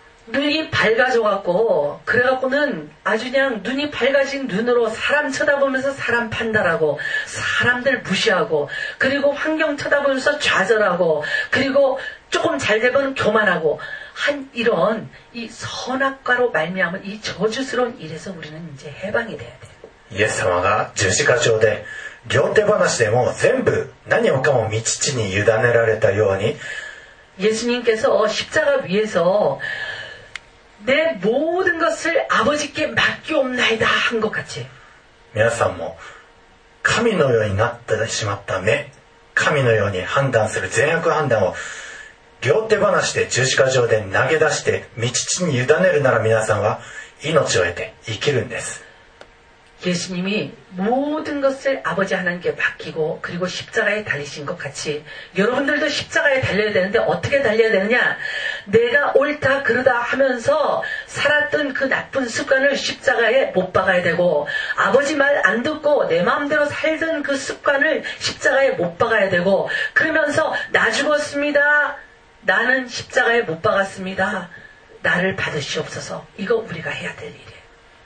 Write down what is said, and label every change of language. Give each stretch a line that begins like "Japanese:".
Korean: 눈이밝아져갖고그래갖고는아주그냥눈이밝아진눈으로사람쳐다보면서사람판단하고사람들무시하고그리고환경쳐다보면서좌절하고그리고조금잘되면교만하고한이런이선악과로말미암은이저주스러운일에서우리는이제해방이돼야돼요
Japanese: 예수様가十字架上で両手放しでも全部何もかも御父に委ねられたように
Korean: 예수님께서십자가위에서 내 모든것을아버지께맡기옵나이다한것같이
Japanese: 皆さんも神のようになってしまった目、神のように判断する善悪判断を両手放して十字架上で投げ出して御父に委ねるなら皆さんは命を得て生きるんです。
Korean: イエス님이모든것을아버지하나님께맡기고그리고십자가에달리신것같이여러분들도십자가에달려야되는데어떻게달려야되느냐내가옳다그르다하면서살았던그나쁜습관을십자가에못박아야되고아버지말안듣고내마음대로살던그습관을십자가에못박아야되고그러면서나죽었습니다나는십자가에못박았습니다나를받으시옵소서이거우리가해야될일이에요